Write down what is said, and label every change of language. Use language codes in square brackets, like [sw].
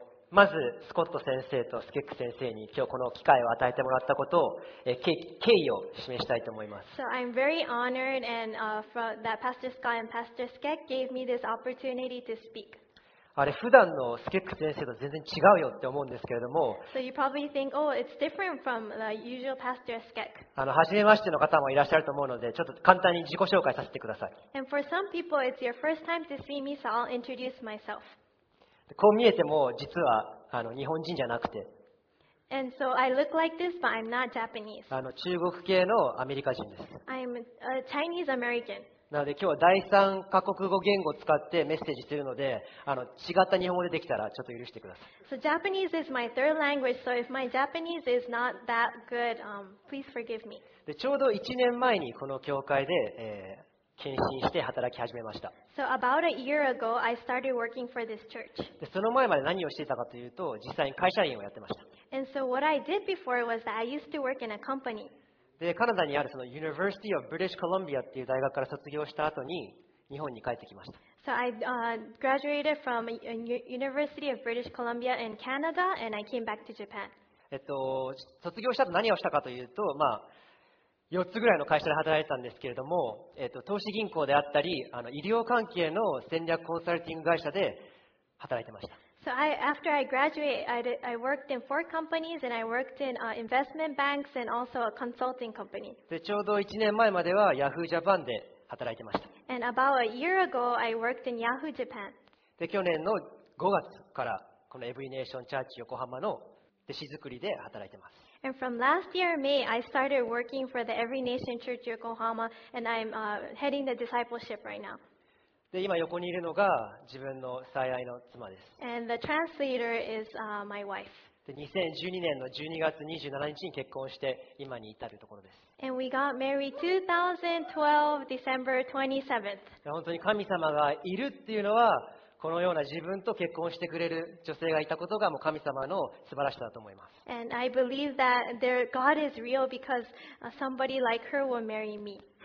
[ja] まずスコット先生とスケック先生に今日この機会を与えてもらったことを敬意を示したいと思います。 [en] So I'm very honored and that Pastor Scott and Pastor Skek gave me this opportunity to speak. [ja] あれ普段のスケック先生と全然違うよって思うんですけれども。 [en] So you probably think, oh, it's different from the usual Pastor Skek. [ja] 初めましての方もいらっしゃると思うので、ちょっと簡単に自己紹介させてください。 [en] And for some people, it's your first time to see me, so I'll introduce myself. [ja] こう見えても実は日本人じゃなくて、 [en] And so I look like this, but I'm not Japanese. [ja] 中国系のアメリカ人です。 [en] I'm a Chinese American. [ja] なので今日は第三カ国語言語を使ってメッセージするので、違った日本語でできたらちょっと許してください。 [en] So Japanese is my third language. So if my Japanese is not that good, please forgive me. [ja] でちょうど1年前にこの教会で。献身して働き始めました。 [en] So about a year ago, I started working for this church. [ja] で、その前まで何をしていたかというと、実際に会社員をやってました。 [en] And so what I did before was that I used to work in a company. [ja] で、カナダにあるその University of British Columbia っていう大学から卒業した後に日本に帰ってきました。 [en] So I graduated from University of British Columbia in Canada and I came back to Japan. [ja] 卒業した後何をしたかというと、4つぐらいの会社で働いてたんですけれども、投資銀行であったり医療関係の戦略コンサルティング会社で働いてました。 [en] So after I graduated, I worked in four companies and I worked in investment banks and also a consulting company. [ja] で、ちょうど1年前まではヤフージャパンで働いてました。 [en] And about a year ago, I worked in Yahoo Japan. [ja] で、去年の5月からこのエブリネーションチャーチ横浜の弟子作りで働いてます。 [en] And from last year, May, I started working for the Every Nation Church Yokohama, and I'm heading the discipleship right now. [ja] で、今横にいるのが自分の最愛の妻です。 [en] And the translator is my wife. [ja] で、2012年の12月27日に結婚して、今に至るところです。 [en] And we got married 2012, December 27th. [ja] 本当に神様がいるっていうのは、このような自分と結婚してくれる女性がいたことがもう神様の素晴らしさだと思います。 [en] And I believe that there God is real because somebody like her will marry me.